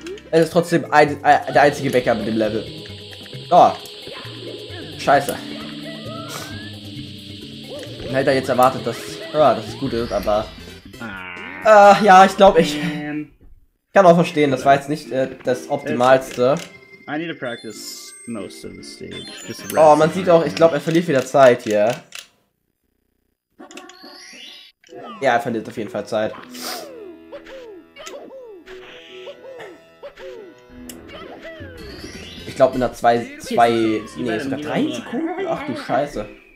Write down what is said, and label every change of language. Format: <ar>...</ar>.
<de>Es ist trotzdem der einzige Bäcker mit dem Level. Oh. Scheiße. Ich hätte jetzt erwartet, dass, dass es gut ist, aber. Ja, ich glaube, ich. Kann auch verstehen, das war jetzt nicht das Optimalste.</de> <en>I need to practice most of the stage.</en> <de>Oh, man sieht auch, ich glaube, er verliert wieder Zeit hier. Ja, er verliert auf jeden Fall Zeit. Ich glaube, mit einer 3 Sekunden? Ach du Scheiße.</de>